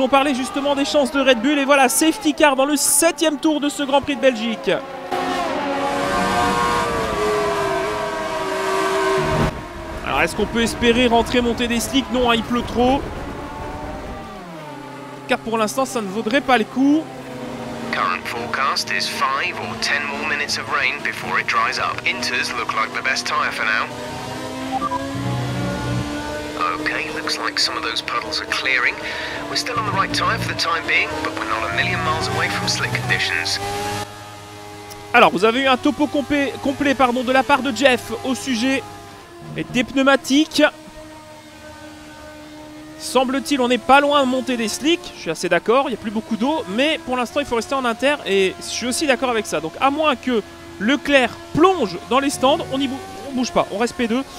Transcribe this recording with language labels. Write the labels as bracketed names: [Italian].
[French] On parlait justement des chances de Red Bull. Et voilà, safety car dans le 7e tour de ce Grand Prix de Belgique. Alors, est-ce qu'on peut espérer rentrer, monter des slicks? Non, hein, il pleut trop. Car pour l'instant, ça ne vaudrait pas le coup. [English] Current forecast is 5 or 10 more minutes of rain before it dries up. Inters look like the best tire for now. Okay, looks like some of those puddles are clearing. We're still on the right tire for the time being, but we're not a million miles away from slick conditions. [French] Alors, vous avez eu un topo complet pardon, de la part de Jeff au sujet des pneumatiques. Semble-t-il, on n'est pas loin de monter des slicks. Je suis assez d'accord, il n'y a plus beaucoup d'eau. Mais pour l'instant, il faut rester en inter. Et je suis aussi d'accord avec ça. Donc, à moins que Leclerc plonge dans les stands, on n'y bouge pas. On reste P2.